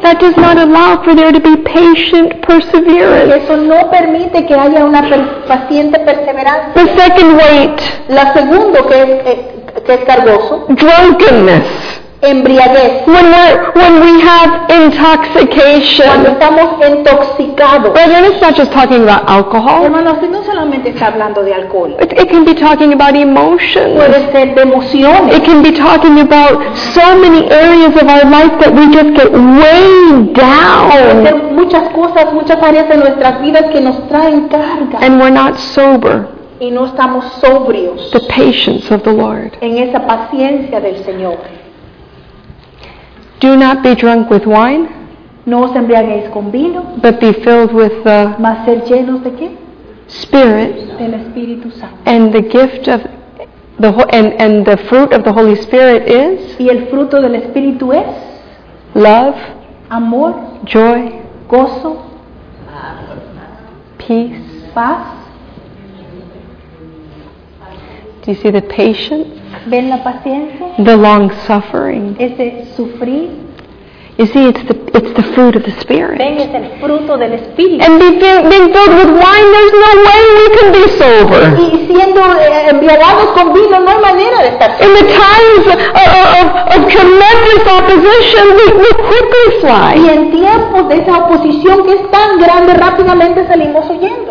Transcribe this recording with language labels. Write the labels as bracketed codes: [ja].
[en] That does not allow for there to be patient perseverance. [es] Eso no permite que haya una paciente perseverancia. [en] The second weight. [es] La segundo que es cargoso. [en] Drunkenness. [es] embriaguez. [en] When we have intoxication. [es] Cuando estamos intoxicados. [en] But then it's not just talking about alcohol. [es] Hermano, usted no solamente está hablando de alcohol. [en] It can be talking about emotions. [es] Puede ser de emociones. [en] It can be talking about so many areas of our life that we just get weighed down. [es] Puede ser muchas cosas, muchas áreas de nuestras vidas que nos traen carga. [en] And we're not sober. [es] Y no estamos sobrios. [en] The patience of the Lord. [es] En esa paciencia del Señor. [en] Do not be drunk with wine, [es] no os embriaguéis con vino, [en] but be filled with the [es] mas ser llenos de qué? [en] Spirit, [es] del Espíritu Santo. [en] And the gift of the and the fruit of the Holy Spirit is [es] y el fruto del Espíritu es [en] love, [es] amor, [en] joy, [es] gozo, [en] peace, [es] paz. [en] Do you see the patience? [es] ¿Ven la paciencia? [en] The long suffering. [es] Ese sufrir. [en] You see, it's the fruit of the Spirit. [es] ¿Ven? Es el fruto del Espíritu. [en] And being filled with wine, there's no way we can be sober. [es] Y siendo embriagados con vino, no hay manera de estar. [en] In the times of tremendous opposition, we quickly fly. [es] Y en tiempos de esa oposición que es tan grande, rápidamente salimos huyendo.